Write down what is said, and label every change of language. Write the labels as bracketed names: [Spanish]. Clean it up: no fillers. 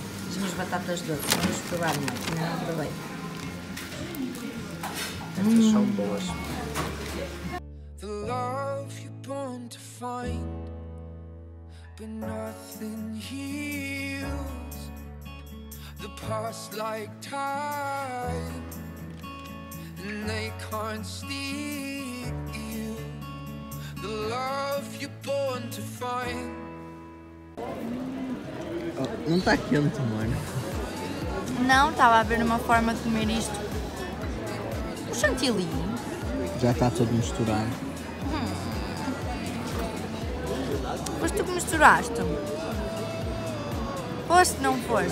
[Portuguese] São as batatas doces, vamos provar uma, que não aprovei. Estas são boas. [English] The love you're born to find, but nothing heals the past like time, and they can't steal the love you're born to find. [Portuguese] Oh, não está quente, mano. Não, estava a ver uma forma de comer isto. O chantilly. Já está tudo misturado. Foste tu que misturaste? Foste, não foste?